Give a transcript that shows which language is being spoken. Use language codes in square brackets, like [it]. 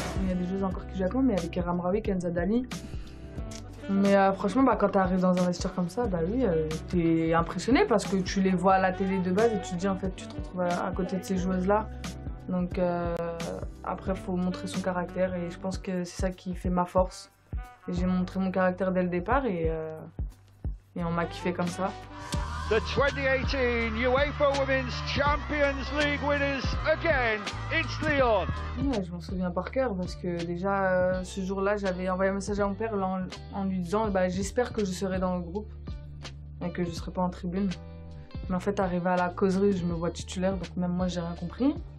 [fr] Il y a des joueuses encore qui jouent avec moi, mais avec Eram Ravi, Kenza Dali. Mais franchement, quand tu arrives dans un vestiaire comme ça, t'es impressionné parce que tu les vois à la télé de base et tu te dis en fait, tu te retrouves à côté de ces joueuses-là. Donc après, faut montrer son caractère et je pense que c'est ça qui fait ma force. Et j'ai montré mon caractère dès le départ et on m'a kiffé comme ça. [en] The 2018 UEFA Women's Champions League winners again, it's Lyon. [fr] Ouais, je m'en souviens par cœur parce que déjà ce jour-là, j'avais envoyé un message à mon père en lui disant j'espère que je serai dans le groupe et que je ne serai pas en tribune. Mais en fait, arrivé à la causerie, je me vois titulaire, donc même moi, j'ai rien compris.